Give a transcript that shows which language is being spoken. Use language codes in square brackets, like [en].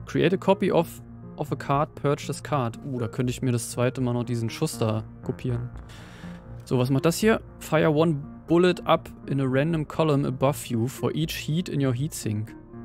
[en] Create a copy of a card, purge this card. [de] Da könnte ich mir das zweite Mal noch diesen Schuss da kopieren. So, was macht das hier? [en] Fire one bullet up in a random column above you for each heat in your heatsink.